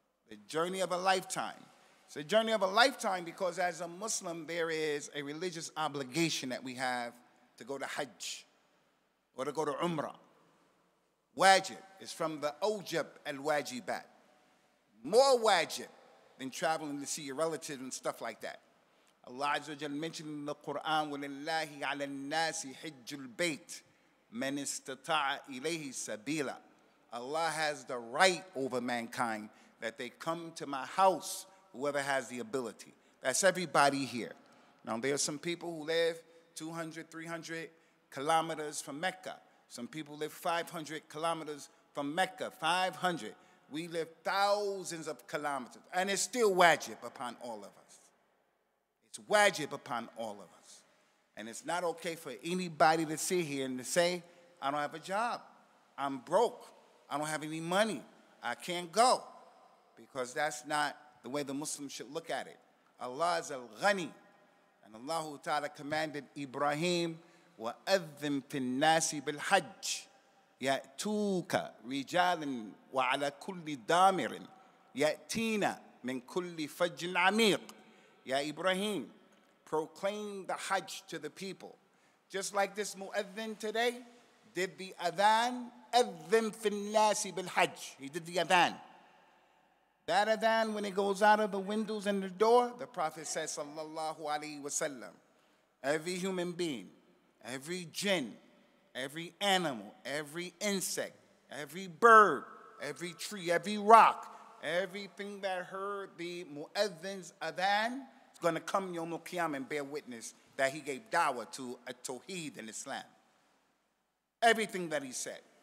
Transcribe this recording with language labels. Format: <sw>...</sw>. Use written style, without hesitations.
<en>The journey of a lifetime. It's a journey of a lifetime because as a Muslim, there is a religious obligation that we have to go to Hajj or to go to Umrah. Wajib is from the Ojib al-Wajibat. More wajib than traveling to see your relatives and stuff like that. Allah Azza wa Jalla mentioned in the Quran,</en> <ar>وَلِلَّهِ عَلَى النَّاسِ حِجُّ الْبَيْتِ مَنِ اسْتَطَعَ إِلَيْهِ سَبِيلًا.</ar> <en>Allah has the right over mankind that they come to my house, whoever has the ability. That's everybody here. Now, there are some people who live 200, 300 kilometers from Mecca. Some people live 500 kilometers from Mecca, 500. We live thousands of kilometers, and it's still wajib upon all of us. It's wajib upon all of us. And it's not okay for anybody to sit here and to say, I don't have a job. I'm broke. I don't have any money. I can't go. Because that's not the way the Muslims should look at it. Allah is al-ghani. And Allah Ta'ala commanded Ibrahim,</en> <ar>وَأَذِّن فِي النَّاسِ بِالْحَجِّ يَأْتُوكَ رِجَالٍ وَعَلَى كُلِّ دَامِرٍ يَأْتِينَ مِنْ كُلِّ فَجٍ عَمِيقٍ.</ar> <en>Ya Ibrahim, proclaim the Hajj to the people. Just like this Mu'adhin today did the Adhan, Adhan fin nasi bil Hajj. He did the Adhan. That Adhan, when it goes out of the windows and the door, the Prophet says, Sallallahu Alaihi Wasallam, every human being, every jinn, every animal, every insect, every bird, every tree, every rock, everything that heard the Mu'adhin's Adhan, going to come Yawm al-Qiyamah and bear witness that he gave da'wah to a tawheed in Islam. Everything that he said.</en>